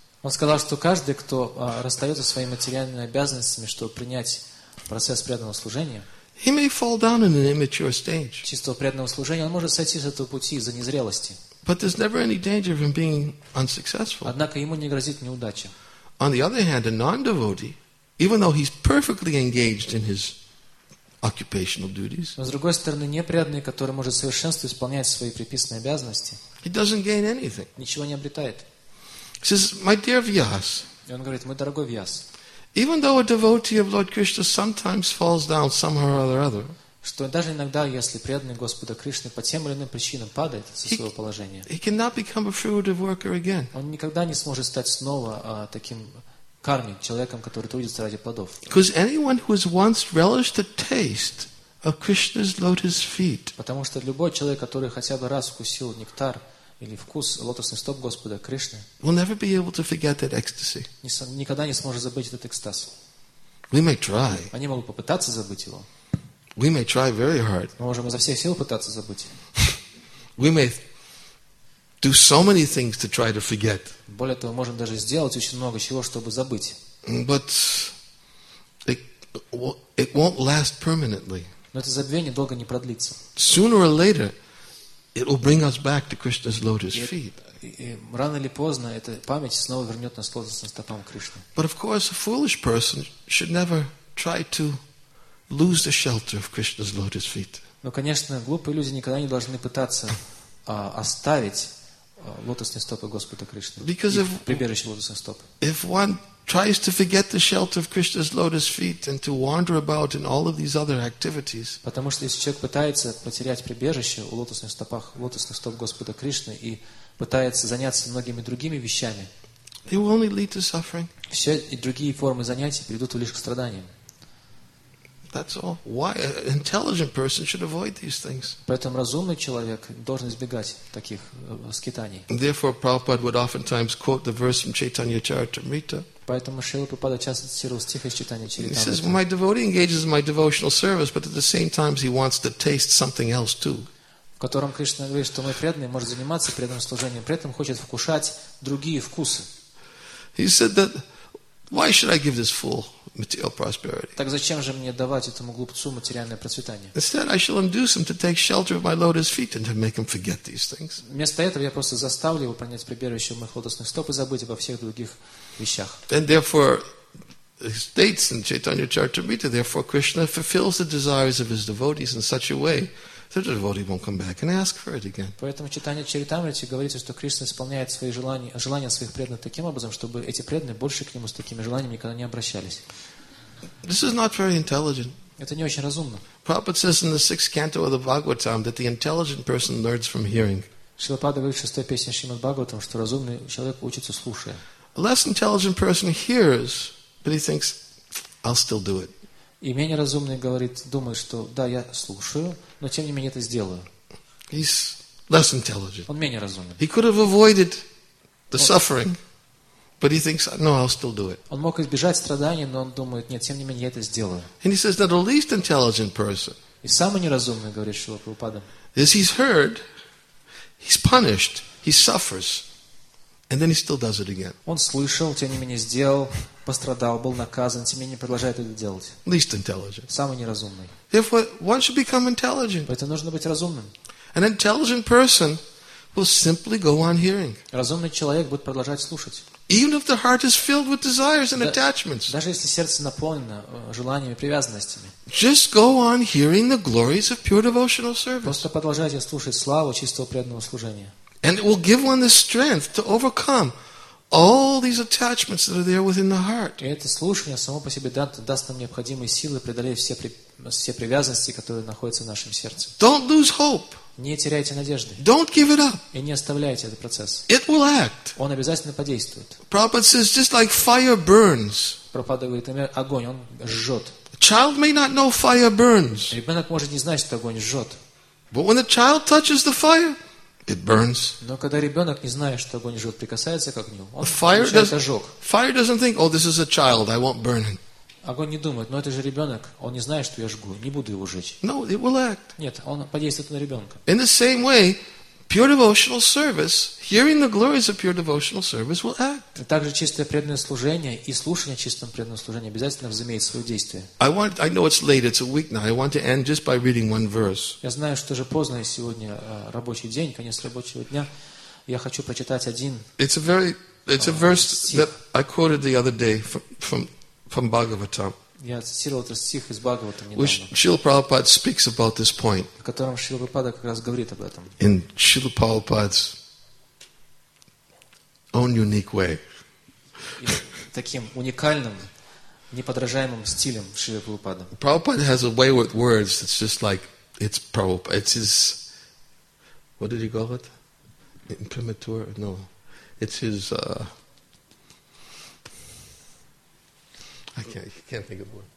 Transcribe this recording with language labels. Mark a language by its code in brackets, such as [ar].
[ru] Он сказал, что каждый, кто расстается со своими материальными обязанностями, чтобы принять процесс преданного служения. [en] He may fall down in an immature stage. [ru] Чистого преданного служения, он может сойти с этого пути из-за незрелости. [en] But there's never any danger of him being unsuccessful. [ru] Однако ему не грозит неудача. [en] On the other hand, a non-devotee, even though he's perfectly engaged in his occupational duties, [ru] с другой стороны, непреданный, который может в совершенстве исполнять свои приписанные обязанности, [en] he doesn't gain anything. [ru] Ничего не обретает. [en] He says, "My dear Vyas." [ru] И он говорит, мой дорогой Вьяс. [en] Even though a devotee of Lord Krishna sometimes falls down somehow or other, [ru] что даже иногда, если преданный Господа Кришны по тем или иным причинам падает со своего положения, [en] he cannot become a fruitive worker again. [ru] Он никогда не сможет стать снова таким карми, человеком, который трудится ради плодов. [en] Because anyone who has once relished the taste of Krishna's lotus feet, [ru] потому что любой человек, который хотя бы раз вкусил нектар или вкус лотосных стоп Господа Кришны, [en] we'll never be able to forget that ecstasy. [ru] Никогда не сможет забыть этот экстаз. [en] We may try. [ru] Они могут попытаться забыть его. [en] We may try very hard. [ru] Мы можем изо всех сил пытаться забыть. [en] We may do so many things to try to forget. [ru] Более того, можем даже сделать очень много чего, чтобы забыть. [en] But it won't last permanently. [ru] Но это забвение долго не продлится. [en] Sooner or later, it will bring us back to Krishna's lotus feet. [ru] Рано или поздно эта память снова вернет нас к лотосным стопам Кришны. [en] But of course, a foolish person should never try to lose the shelter of Krishna's lotus feet. [ru] Но, конечно, глупые люди никогда не должны пытаться оставить лотосные стопы Господа Кришны. [en] Because if [ru] прибежище лотосных стоп. [en] If one tries to forget the shelter of Krishna's lotus feet and to wander about in all of these other activities. [ru] Потому что если человек пытается потерять прибежище у лотосных стопах, лотосных стоп Господа Кришны и пытается заняться многими другими вещами, [en] it will only lead to suffering. [ru] Все и другие формы занятий приведут лишь к страданиям. [en] That's all. Why an intelligent person should avoid these things? [ru] Поэтому разумный человек должен избегать таких скитаний. [en] Therefore, Prabhupada would oftentimes quote the verse from Chaitanya Charitamrita. [ru] Поэтому Шрила Прабхупада часто цитировал стих из читания Чаритамриты. [en] He says, "My devotee engages in my devotional service, but at the same time he wants to taste something else too." [ru] В котором Кришна говорит, что мой преданный может заниматься преданным служением, при этом хочет вкушать другие вкусы. [en] He said that, "Why should I give this fool material prosperity?" [ru] Так зачем же мне давать этому глупцу материальное процветание? [en] Instead, I shall induce him to take shelter of my lotus feet and to make him forget these things. [ru] Вместо этого я просто заставлю его принять прибежище у моих лотосных стоп и забыть обо всех других вещах. [en] And therefore, it states in Chaitanya Charitamrita, therefore Krishna fulfills the desires of his devotees in such a way that the devotee won't come back and ask for it again. [ru] Поэтому читание Чаритамрити говорит, что Кришна исполняет свои желания своих преданных таким образом, чтобы эти преданные больше к нему с такими желаниями никогда не обращались. [en] This is not very intelligent. [ru] Это не очень разумно. [en] Prabhupada says in the sixth canto of the Bhagavatam that the intelligent person learns from hearing. [ru] Шрила Прабхупада говорит в шестой песне Шримад Бхагаватам, что разумный человек учится слушая. [en] A less intelligent person hears, but he thinks, "I'll still do it." [ru] И менее разумный говорит, думает, что да, я слушаю, но тем не менее это сделаю. [en] He's less intelligent. [ru] Он менее разумный. [en] He could have avoided the suffering, but he thinks, "No, I'll still do it." [ru] Он мог избежать страданий, но он думает, нет, тем не менее я это сделаю. [en] And he says that the least intelligent person. [ru] И самый неразумный говорит, что Прабхупада. [en] Is he's heard, he's punished, he suffers. And then he still does it again. [ru] Он слышал, тем не менее сделал, пострадал, был наказан, тем не менее продолжает это делать. [en] Least intelligent. [ru] Самый неразумный. [en] Therefore, one should become intelligent. [ru] Поэтому нужно быть разумным. [en] An intelligent person will simply go on hearing. [ru] Разумный человек будет продолжать слушать. [en] Even if the heart is filled with desires and attachments. [ru] Даже если сердце наполнено желаниями, привязанностями. [en] Just go on hearing the glories of pure devotional service. [ru] Просто продолжайте слушать славу чистого преданного служения. [en] And it will give one the strength to overcome all these attachments that are there within the heart. [ru] И это слушание само по себе даст нам необходимые силы преодолеть все привязанности, которые находятся в нашем сердце. [en] Don't lose hope. [ru] Не теряйте надежды. [en] Don't give it up. [ru] И не оставляйте этот процесс. [en] It will act. [ru] Он обязательно подействует. [en] Prabhupada says, just like fire burns. [ru] Прабхупада говорит, например, огонь, он жжет. [en] Child may not know fire burns. [ru] Ребенок может не знать, что огонь жжет. [en] But when a child touches the fire, it burns. [ru] Но когда ребенок не знает, что огонь жжет, прикасается к огню, он получает ожог. [en] Fire doesn't think, oh, this is a child, I won't burn it. [ru] Огонь не думает, но это же ребенок, он не знает, что я жгу, не буду его жечь. [en] No, it will act. [ru] Нет, он подействует на ребенка. [en] In the same way, pure devotional service, hearing the glories of pure devotional service will act. [ru] Также чистое преданное служение и слушание чистого преданного служения обязательно взаимоимеет свое действие. [en] I know it's late, it's a week now. I want to end just by reading one verse. [ru] Я знаю, что же поздно, сегодня рабочий день, конец рабочего дня. Я хочу прочитать один. [en] It's a verse that I quoted the other day from Bhagavatam. [ru] Я цитировал этот стих из Бхагаватам недавно. [en] Which Srila Prabhupada speaks about this point. [ru] В котором Шрила Прабхупада как раз говорит об этом. [en] In Srila Prabhupada's own unique way. [ru] Таким уникальным, неподражаемым стилем Шрила Прабхупада. [en] Prabhupada has a way with words that's just like it's Prabhupada. It's his, what did he call it? Imprimatur? No. It's his I can't think of the word.